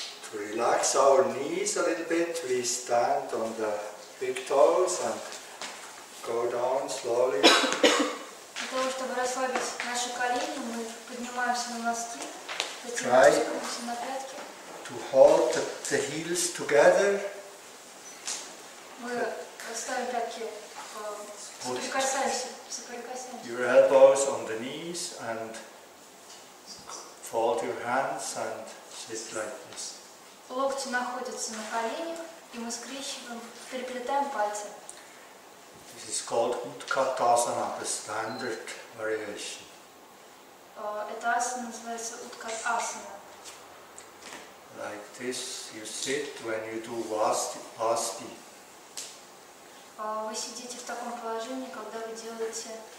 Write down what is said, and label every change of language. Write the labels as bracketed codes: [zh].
[en] To relax our knees a little bit, we stand on the big toes and go down slowly. [ru] Для того, чтобы расслабить наши колени, мы поднимаемся на носки, поднимаемся на пятки. [en] To hold the heels together. [ru] Мы ставим пятки, соприкасаемся. [en] Your elbows on the knees and fold your hands and sit like this. [ru] Локти находятся на коленях, и мы скрещиваем, переплетаем пальцы. [en] This is called Utkatasana, the standard variation. [ru] Эта асана называется Utkatasana. [en] Like this you sit when you do Vasti. [ru] Вы сидите в таком положении, когда вы делаете